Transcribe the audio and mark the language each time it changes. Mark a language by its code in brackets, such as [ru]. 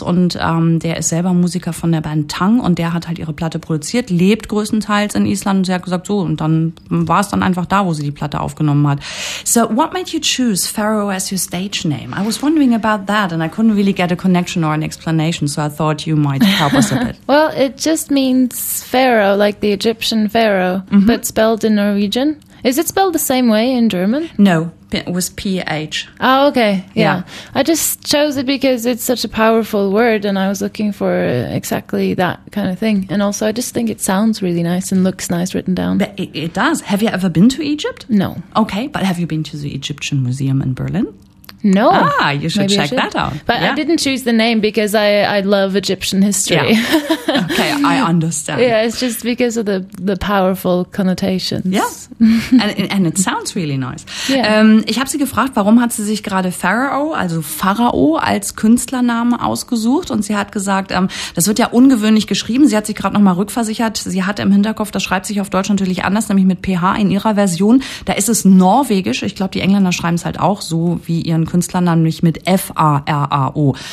[de] Und der ist selber Musiker von der Band Tang. Und der hat halt ihre Platte produziert, lebt größtenteils in Island. Und sie hat gesagt, so, und dann war es dann einfach da, wo sie die Platte aufgenommen hat. [en] So, what made you choose Pharaoh as your stage name? I was wondering about that, and I couldn't really get a connection or an explanation, so I thought you might help us a bit. Well, it just means Pharaoh, like the Egyptian Pharaoh, mm-hmm. but spelled in Norwegian. Is it spelled the same way in German? No, it was P-H. Oh, okay, yeah. I just chose it because it's such a powerful word, and I was looking for exactly that kind of thing. And also, I just think it sounds really nice and looks nice written down. But it does. Have you ever been to Egypt? No. Okay, but have you been to the Egyptian Museum in Berlin? No. Ah, you should maybe check that out. But yeah. I didn't choose the name because I love Egyptian history. Yeah. Okay, I understand. Yeah, it's just because of the powerful connotations. Yeah, and it sounds really nice. Yeah. [de] Ich habe sie gefragt, warum hat sie sich gerade Pharaoh als Künstlernamen ausgesucht? Und sie hat gesagt, das wird ja ungewöhnlich geschrieben. Sie hat sich gerade nochmal rückversichert. Sie hatte im Hinterkopf, das schreibt sich auf Deutsch natürlich anders, nämlich mit PH in ihrer Version. Da ist es norwegisch. Ich glaube, die Engländer schreiben es halt auch so wie ihren Künstlernamen, nämlich mit Pharao.